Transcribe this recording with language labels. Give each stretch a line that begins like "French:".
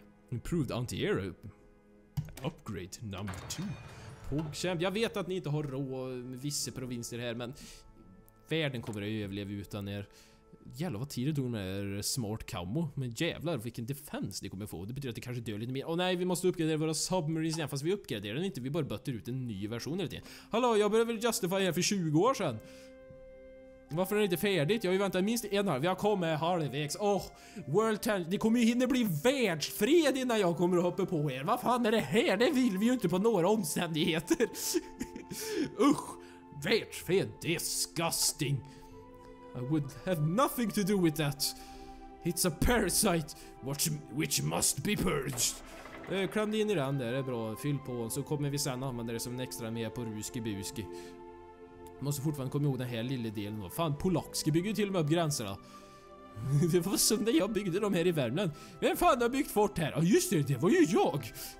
English: Improved anti-air upgrade number 2.
Swedish: Pogkämp, jag vet att ni inte har rå vissa provinser här, men världen kommer att överleva utan er. Jävlar vad tid det tog med er smart camo. Men jävlar vilken defense ni kommer få. Det betyder att det kanske dör lite mer. Och nej, vi måste uppgradera våra submarines igen. Fast vi uppgraderar den inte, vi bara bötter ut en ny version eller någonting. Hallå, jag började väl justify här för 20 år sedan. Varför är det inte färdigt? Jag har ju väntat minst en halv. Vi har kommit halvvägs. Åh, World Ten. Det kommer ju hinna bli världsfred innan jag kommer att hoppa på er. Vad fan är det här? Det vill vi ju inte på några omständigheter. Usch. Världsfred. Disgusting.
English: I would have nothing to do with that. It's a parasite which must be purged.
Swedish: Kläm dig in i den där. Det är bra. Fyll på den så kommer vi sen använda det som en extra med på ruski buski. Måste fortfarande komma ihåg den här lilla delen då. Fan, polackska bygger ju till och med upp gränserna. Det var som när jag byggde dem här i Värmland. Vem fan har byggt fort här? Ja, just det var ju jag.